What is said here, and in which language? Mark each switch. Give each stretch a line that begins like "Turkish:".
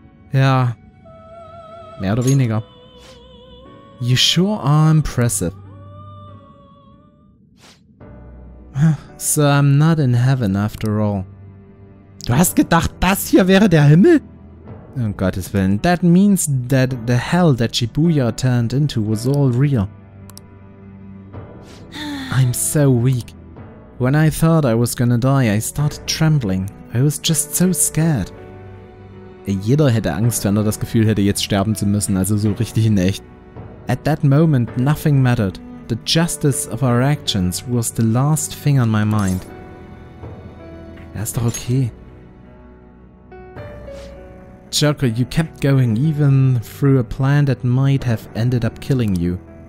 German: Ja. Mehr oder weniger.
English: You sure are impressive. So I'm not in heaven after all.
German: Du hast gedacht, das hier wäre der Himmel? Um Gottes Willen,
English: that means that the hell that Shibuya turned into was all real. I'm so weak. When I thought I was gonna die, I started trembling. I was just so scared.
German: Jeder hätte Angst, wenn er das Gefühl hätte, jetzt sterben zu müssen, also so richtig in echt.
English: At that moment, nothing mattered. The justice of our actions was the last thing on my mind.
German: Ja, ist doch okay.
English: Joker, you kept going even through a plan that might have ended up killing you.